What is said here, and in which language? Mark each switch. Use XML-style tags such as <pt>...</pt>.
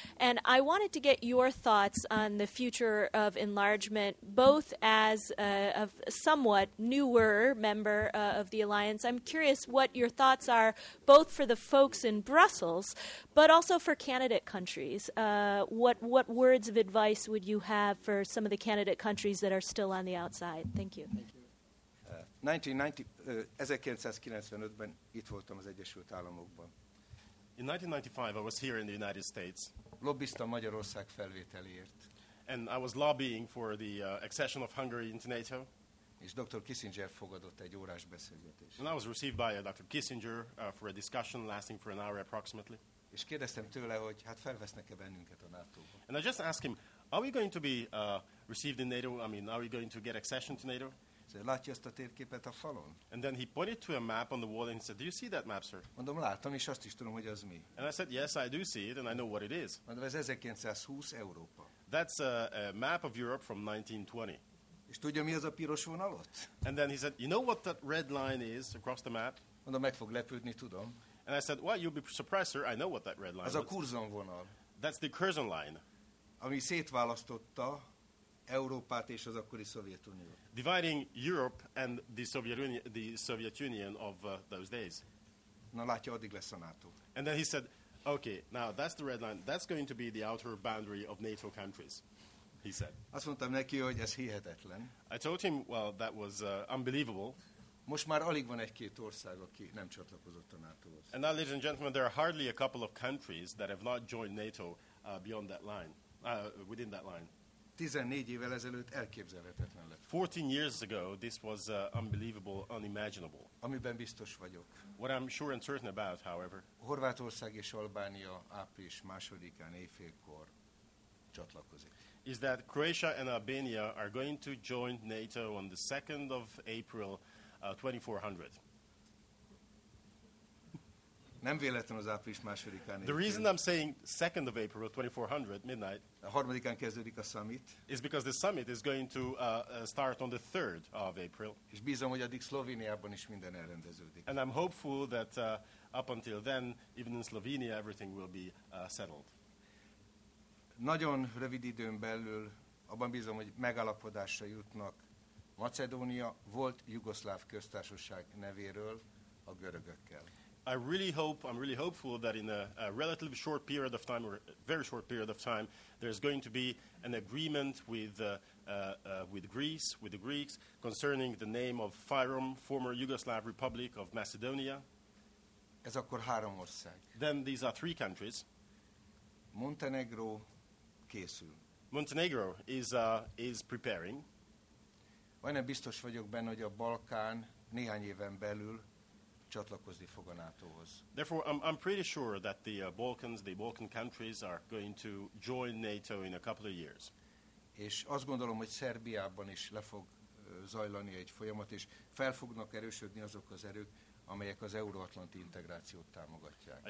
<en>And I wanted to get your thoughts on the future of enlargement, both as a somewhat newer member of the alliance. I'm curious what your thoughts are, both for the folks in Brussels, but also for candidate countries. What words of advice would you have for some of the candidate countries that are still on the outside? Thank you.</en> <hu>1995-ben itt voltam az Egyesült Államokban.</hu> <en>In 1995, I was here in the United States.</en> <hu>Lobbiztam Magyarország felvételért.</hu> <en>And I was lobbying for the accession of Hungary into NATO.</en> <hu>És Dr. Kissinger fogadott egy órás beszélgetést.</hu> <en>And I was received by Dr. Kissinger for a discussion lasting for an hour approximately.</en> <hu>És kérdeztem tőle, hogy hát felvesznek-e bennünket a NATO-ba.</hu> <en>And I just asked him, are we going to be received in NATO? I mean, are we going to get accession to NATO?</en> <hu>Látja ezt a térképet a falon?</hu> <en>And then he pointed to a map on the wall and he said, do you see that map, sir?</en> <hu>Mondom, látom, és azt is tudom, hogy az mi.</hu> <en>And I said, yes, I do see it, and I know what it is.</en> <hu>Mondom, ez 1920 Európa.</hu> <en>That's a map of Europe from 1920.</en> <hu>És tudja, mi az a piros vonalot?</hu> <en>And then he said, you know what that red line is across the map?</en> <hu>Mondom, meg fog lepődni, tudom.</hu> <en>And I said, well, you'll be surprised, sir, I know what that red line is.</en> <hu>Az a Curzon vonal.</hu> <en>That's the Curzon line.</en> <hu>Ami szétválasztotta Európát és az akkori Szovjetuniót.</hu> <en>Dividing Europe and the Soviet Union of those days.</en> <hu>Na látja, addig lesz a NATO.</hu> <en>And then he said, okay, now that's the red line. That's going to be the outer boundary of NATO countries, he said.</en> <hu>Azt mondtam neki, hogy ez hihetetlen.</hu> <en>I told him, well, that was unbelievable.</en> <hu>Most már alig van egy-két ország, aki nem csatlakozott a NATO-hoz.</hu> <en>And now, ladies and gentlemen, there are hardly a couple of countries that have not joined NATO beyond that line, within that line.</en> <hu>14 évvel ezelőtt elképzelhetetlen lett.</hu> <en>14 years ago, this was unbelievable, unimaginable.</en> <hu>Amiben biztos vagyok.</hu> <en>What I'm sure and certain about, however.</en> <hu>Horvátország és Albánia április másodikán éjfélkor csatlakozik.</hu> <en>Is that Croatia and Albania are going to join NATO on the 2nd of April 2400.</en> <hu>Nem véletlen az április másodikán.</hu> <en>The reason I'm saying 2nd of April 2400 midnight.</en> <hu>A harmadikán kezdődik a summit.</hu> <en>Is because the summit is going to start on the 3rd of April.</en> <hu>És bízom, hogy addig Szlovéniában is minden elrendeződik.</hu> <en>And I'm hopeful that up until then, even in Slovenia, everything will be settled.</en> <hu>Nagyon rövid időn belül abban bízom, hogy megállapodásra jutnak Macedónia volt Jugoszláv köztársaság nevéről a görögökkel.</hu> <en>I really hope, I'm really hopeful that in a relatively short period of time, or a very short period of time, there's going to be an agreement with Greece, with the Greeks, concerning the name of Fyrom, former Yugoslav Republic of Macedonia.</en> <hu>Ez akkor három ország.</hu> <en>Then these are three countries.</en> <hu>Montenegro készül.</hu> <en>Montenegro is preparing.</en> <hu>Olyan biztos vagyok benne, hogy a Balkán néhány éven belül csatlakozni fog a NATO-hoz.</hu> <en>Therefore, I'm pretty sure that the Balkan countries are going to join NATO in a couple of years.</en> <hu>És azt gondolom, hogy Szerbiában is le fog zajlani egy folyamat, és fel fognak erősödni azok az erők, amelyek az euróatlanti integrációt támogatják.</hu>